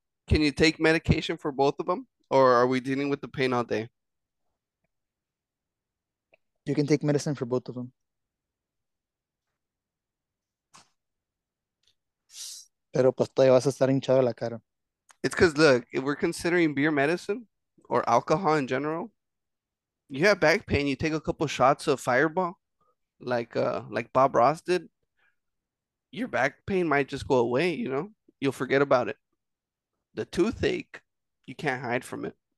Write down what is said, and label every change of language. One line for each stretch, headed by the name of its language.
English: Can you take medication for both of them, or are we dealing with the pain all day? You can take medicine for both of them.
Spanish: Pero pues todavía vas a estar hinchado la cara.
English: Because look, if we're considering beer medicine or alcohol in general, you have back pain, you take a couple shots of Fireball, like Bob Ross did. Your back pain might just go away, you know? You'll forget about it. The toothache, you can't hide from it.